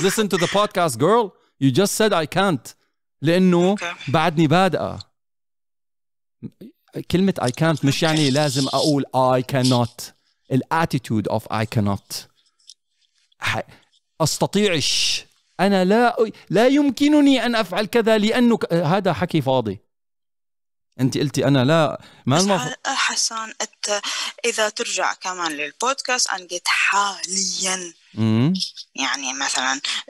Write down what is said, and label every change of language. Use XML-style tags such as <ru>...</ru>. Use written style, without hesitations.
<en>Listen to the podcast, girl. You just said I can't.</en> <ar>لأنه okay. بعدني بادئة. كلمة</ar> <en>I can't</en> <ar>مش okay. يعني لازم أقول</ar> <en>I cannot.</en> <ar>الاتيتود</ar> <en>of I cannot.</en> <ar>أستطيعش. أنا لا يمكنني أن أفعل كذا لأنه هذا حكي فاضي. أنت قلتي أنا لا. ما حسان، أنت إذا ترجع كمان للبودكاست أنا قلت حالياً. يعني مثلاً</ar>